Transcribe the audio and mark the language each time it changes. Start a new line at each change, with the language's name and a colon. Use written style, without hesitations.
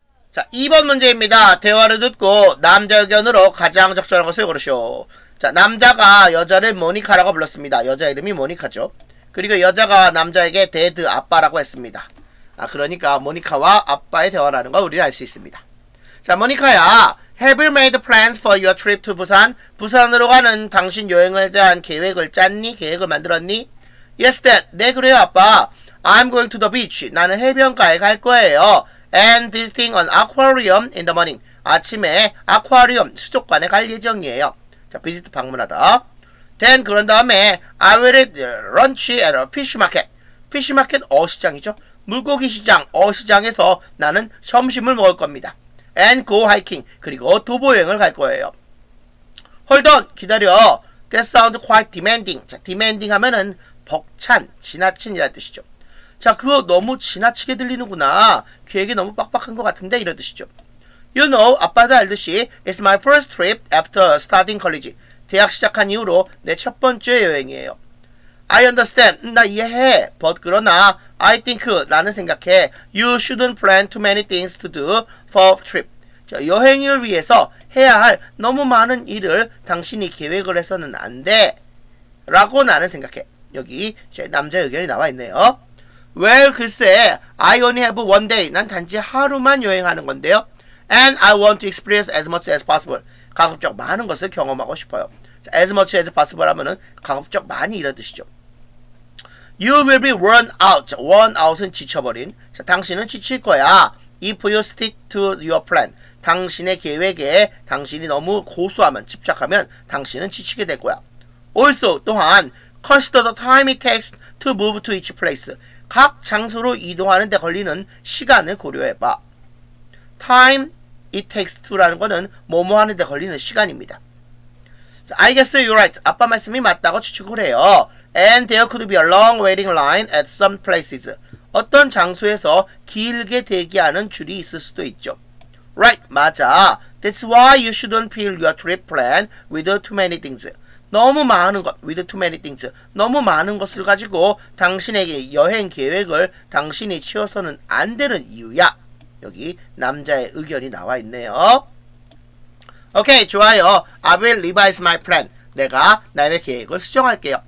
Korean: 자, 2번 문제입니다. 대화를 듣고 남자 의견으로 가장 적절한 것을 고르시오. 자, 남자가 여자를 모니카라고 불렀습니다. 여자 이름이 모니카죠. 그리고 여자가 남자에게 데드 아빠라고 했습니다. 아, 그러니까 모니카와 아빠의 대화라는 걸 우리는 알 수 있습니다. 자, 모니카야,
English: Have you made plans for your trip to Busan?
Korean: 부산으로 가는 당신 여행을 대한 계획을 짰니? 계획을 만들었니?
English: Yes, Dad.
Korean: 네, 그래요, 아빠.
English: I'm going to the beach.
Korean: 나는 해변가에 갈 거예요.
English: And visiting an aquarium in the morning.
Korean: 아침에 아쿠아리움 수족관에 갈 예정이에요. 자, 비지트 방문하다.
English: Then
Korean: 그런 다음에
English: I will eat lunch at a fish market.
Korean: Fish market 어시장이죠. 물고기 시장 어시장에서 나는 점심을 먹을 겁니다.
English: And go hiking.
Korean: 그리고 도보 여행을 갈 거예요.
English: Hold on.
Korean: 기다려.
English: That sounds quite demanding.
Korean: 자, demanding 하면은 벅찬, 지나친이라는 뜻이죠. 자, 그거 너무 지나치게 들리는구나. 계획이 너무 빡빡한 것 같은데 이런 뜻이죠.
English: You know,
Korean: 아빠도 알듯이
English: It's my first trip after starting college.
Korean: 대학 시작한 이후로 내 첫 번째 여행이에요.
English: I understand.
Korean: 나 이해해.
English: But
Korean: 그러나
English: I think,
Korean: 나는 생각해.
English: You shouldn't plan too many things to do for trip.
Korean: 자, 여행을 위해서 해야 할 너무 많은 일을 당신이 계획을 해서는 안 돼. 라고 나는 생각해. 여기 제 남자 의견이 나와 있네요.
English: Well,
Korean: 글쎄,
English: I only have one day.
Korean: 난 단지 하루만 여행하는 건데요.
English: And I want to experience as much as possible.
Korean: 가급적 많은 것을 경험하고 싶어요.
English: As much as possible
Korean: 하면은 가급적 많이 이런 뜻이죠.
English: You will be worn out.
Korean: Worn out은 지쳐버린. 자, 당신은 지칠 거야.
English: If you stick to your plan.
Korean: 당신의 계획에 당신이 너무 고수하면, 집착하면 당신은 지치게 될 거야.
English: Also,
Korean: 또한,
English: consider the time it takes to move to each place.
Korean: 각 장소로 이동하는 데 걸리는 시간을 고려해봐.
English: Time it takes to라는
Korean: 거는 뭐뭐 하는 데 걸리는 시간입니다.
English: I guess you're right.
Korean: 아빠 말씀이 맞다고 추측을 해요.
English: And there could be a long waiting line at some places.
Korean: 어떤 장소에서 길게 대기하는 줄이 있을 수도 있죠.
English: Right,
Korean: 맞아.
English: That's why you shouldn't fill your trip plan with too many things.
Korean: 너무 많은 것,
English: with too many things.
Korean: 너무 많은 것을 가지고 당신에게 여행 계획을 당신이 채워서는 안 되는 이유야. 여기 남자의 의견이 나와 있네요.
English: Okay,
Korean: 좋아요.
English: I will revise my plan.
Korean: 내가 나의 계획을 수정할게요.